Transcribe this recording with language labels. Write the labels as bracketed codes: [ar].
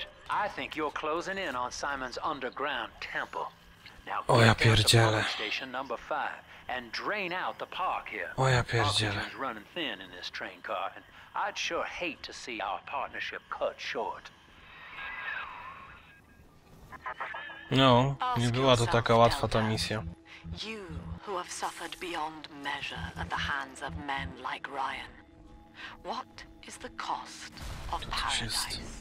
[en] I think you're closing in on Simon's underground temple. Now, oh, [pl] ja pierdziele. [en] Station number 5 and drain out the park here. Oh, ja pierdziele. Oxygen's running thin in this train car and I'd sure hate to see our partnership cut short. [pl] No, nie była to taka łatwa ta misja. [en] You who have suffered beyond measure at the hands of men like Ryan. What is the cost of paradise?